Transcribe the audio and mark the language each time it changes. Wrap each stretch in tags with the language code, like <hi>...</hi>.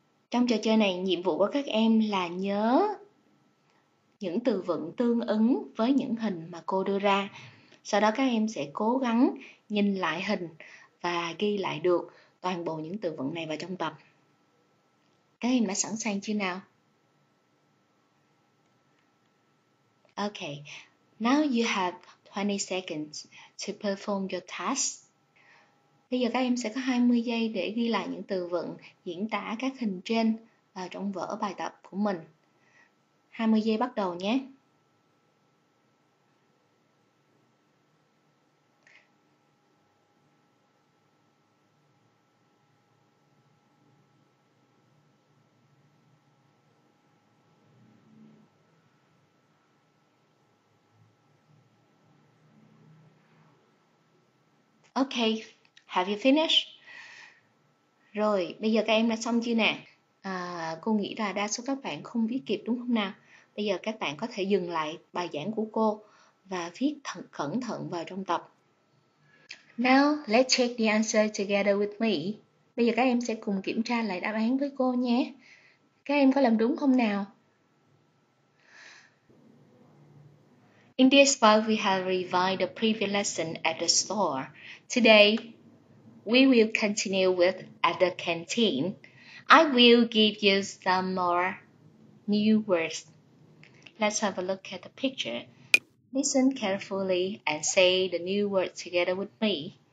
<vi>Trong trò chơi này, nhiệm vụ của các em là nhớ những từ vựng tương ứng với những hình mà cô đưa ra. Sau đó các em sẽ cố gắng nhìn lại hình và ghi lại được toàn bộ những từ vựng này vào trong tập. Các em đã sẵn sàng chưa nào?</vi> <en>Okay, now you have 20 seconds to perform your task.</en> <vi>Bây giờ các em sẽ có 20 giây để ghi lại những từ vựng diễn tả các hình trên vào trong vở bài tập của mình. 20 giây bắt đầu nhé.</vi> <en>Okay. Have you finished?</en> <vi>Rồi, bây giờ các em đã xong chưa nè? Cô nghĩ là đa số các bạn không viết kịp đúng không nào? Bây giờ các bạn có thể dừng lại bài giảng của cô và viết cẩn thận vào trong tập.</vi> <en>Now, let's check the answer together with me.</en> <vi>Bây giờ các em sẽ cùng kiểm tra lại đáp án với cô nhé. Các em có làm đúng không nào?</vi> <en>In this part, we have revised the previous lesson at the store. Today, we will continue with at the canteen. I will give you some more new words. Let's have a look at the picture. Listen carefully and say the new word together with me.</en>